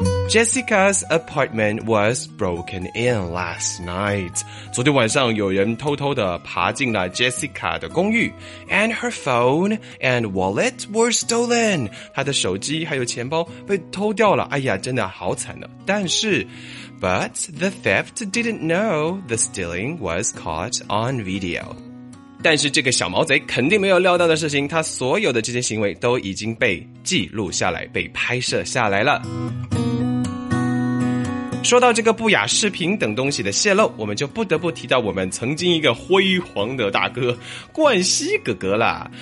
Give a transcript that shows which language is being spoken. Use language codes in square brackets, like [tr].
[en] Jessica's apartment was broken in last night. [zh] 昨天晚上有人偷偷地爬进了 Jessica 的公寓。 [en] And her phone and wallet were stolen. [zh] 她的手机还有钱包被偷掉了，哎呀真的好惨的。但是 [en] But the theft didn't know the stealing was caught on video. [zh] 但是这个小毛贼肯定没有料到的事情，他所有的这些行为都已经被记录下来，被拍摄下来了。说到这个不雅视频等东西的泄露，我们就不得不提到我们曾经一个辉煌的大哥冠希哥哥了。